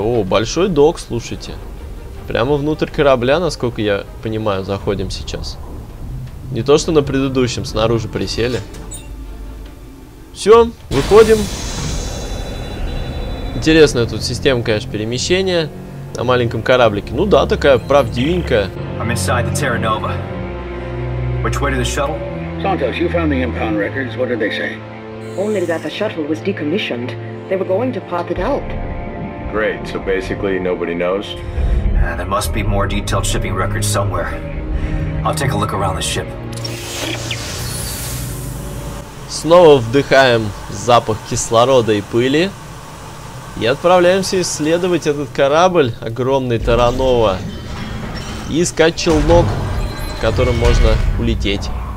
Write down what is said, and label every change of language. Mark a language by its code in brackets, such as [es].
[ru] О, большой док, слушайте. Прямо внутрь корабля, насколько я понимаю, заходим сейчас. Не то, что на предыдущем, снаружи присели. Все, выходим. Интересная тут система, конечно, перемещения на маленьком кораблике. Ну да, такая правдивенькая. [en] I'm inside the Terra Nova. Which way to the shuttle? Santos, you found the impound records. What did they say? Only that the shuttle was decommissioned. They were going to pop it out. Great, so basically nobody knows? There must be more detailed shipping records somewhere. I'll take a look around the ship. [ru] Снова вдыхаем запах кислорода и пыли. И отправляемся исследовать этот корабль, огромный Terra Nova. И искать челнок, в котором можно улететь.